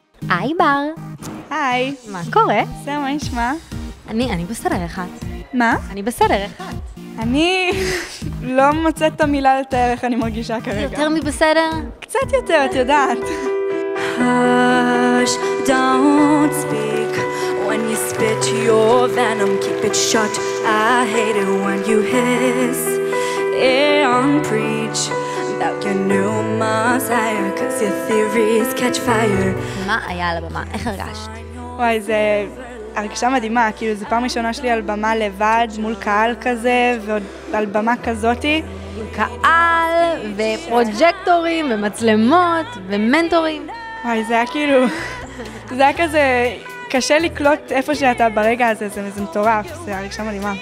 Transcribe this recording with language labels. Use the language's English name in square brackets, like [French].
[Hebrew] היי, בר. היי. מה קורה? בסדר, מה נשמע? אני בסדר אחת. מה? אני בסדר אחת. אני לא מוצאת את המילה לתאר איך אני מרגישה כרגע. יותר מבסדר? קצת יותר, את יודעת. [English] Hush, don't speak when you spit your venom. Keep it shut. I hate it when you hiss and preach about your new messiah, cause your theories catch fire. [Hebrew] מה היה על הבמה? איך הרגשת? וואי, זה הרגשה מדהימה, כאילו זה פעם ראשונה שלי על במה לבד מול קהל כזה, ועוד על במה כזאתי. קהל ופרוג'קטורים ומצלמות ומנטורים. וואי, זה היה כאילו, זה היה כזה קשה לקלוט איפה שאתה ברגע הזה, זה מטורף, זה הרגשה מדהימה.